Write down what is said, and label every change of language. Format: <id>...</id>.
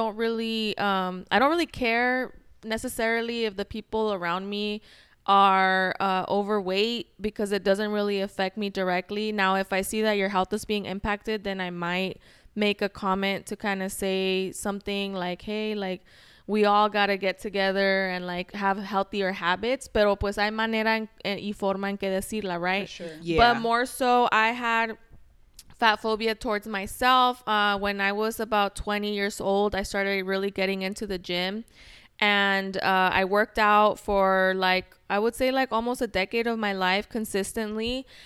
<en>I don't really care necessarily if the people around me are overweight, because it doesn't really affect me directly. Now, if I see that your health is being impacted, then I might make a comment to kind of say something like, hey, like we all got to get together and like have healthier habits.</en> <es>Pero pues hay manera y forma en que decirla, right?</es> <en>For sure. Yeah. But more so I had fat phobia towards myself. When I was about 20 years old, I started really getting into the gym. And I worked out for like, I would say like almost a decade of my life consistently.</en>